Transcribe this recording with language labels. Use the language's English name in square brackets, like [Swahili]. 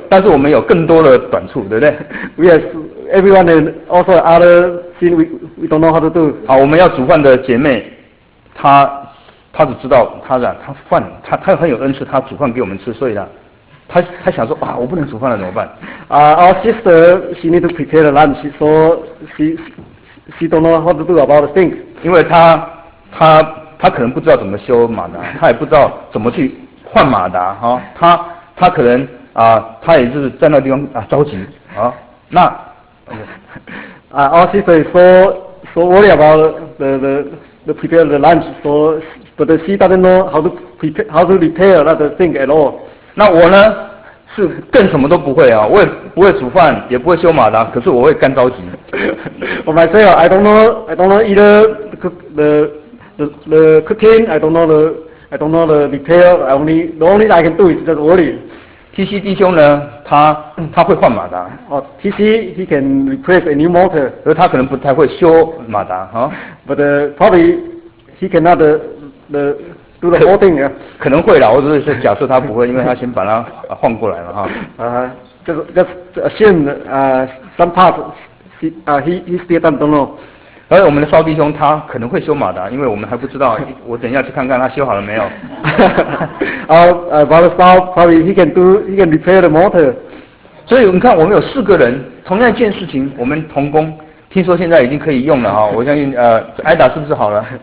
[Chinese] 但是我们有更多的短处，对不对 [English] ？We have everyone and also other thing we don't know how to do。 [Chinese] 好，我们要煮饭的姐妹，她只知道她饭，她很有恩赐，她煮饭给我们吃，所以呢，她想说啊，我不能煮饭了怎么办？ [English] 啊 ，Our sister she need to prepare the lunch. She saw she don't know how to do about the thing。 [Chinese] 因为他可能不知道怎么修马达，他也不知道怎么去换马达哈、哦。他可能啊、他也是在那地方啊着急啊、哦。那 [English] 啊、our sister so worried about the prepare the lunch. So but she doesn't know how to repair that thing at all. [Chinese] 那我呢是更什么都不会啊，我也不会煮饭，也不会修马达，可是我会干着急。 [English] For myself, I don't know either the cooking, I don't know the repair. The only thing I can do is just worry. [Chinese] TC 弟兄呢，他会换马达。 [English] TC he can replace a new motor. [Chinese] 可是他可能不太会修马达哈。 [English] But probably he cannot the do the whole thing. [Chinese] 可能会啦，我只是假设他不会，因为他先把它换过来了哈。 [English] Just assume some parts he still don't know. [Chinese] 而我们的少弟兄他可能会修马达，因为我们还不知道，我等一下去看看他修好了没有。 [English] Our brother Sal probably he can repair the motor. [Chinese] 所以你看，我们有四个人，同样一件事情，我们同工，听说现在已经可以用了哈、哦。我相信，Ada是不是好了？